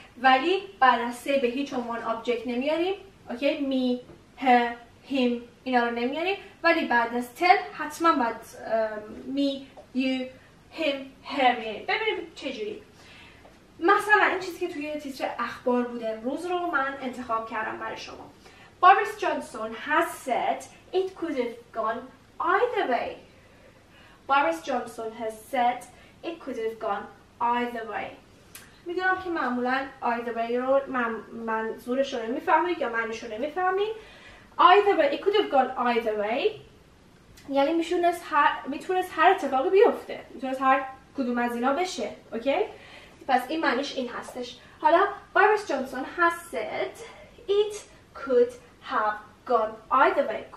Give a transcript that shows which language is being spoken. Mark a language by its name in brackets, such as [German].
[Persian] ولی بعد از سه به هیچ عنوان آبجکت نمیاریم، اوکی، می، ه، هیم اینا رو نمیاریم، ولی بعد از تل حتما بعد می، یو، him، her. ببینیم چجوری. مثلا این چیزی که توی تیتر اخبار بوده امروز رو من انتخاب کردم برای شما. [English] Boris Johnson has said it could have gone either way. Boris Johnson has said it could have gone either way. [Persian] میدونم که معمولا [English] either way [Persian] رو منظورش رو نمیفهمید یا معنیش رو نمیفهمید. [English] Either way، it could have gone either way، [Persian] یعنی میتونست هر اتفاقی بیفته، میتونست هر کدوم از اینا بشه، اوکی؟ پس این معنیش این هستش. [English] حالا Boris Johnson has said it could have gone either way.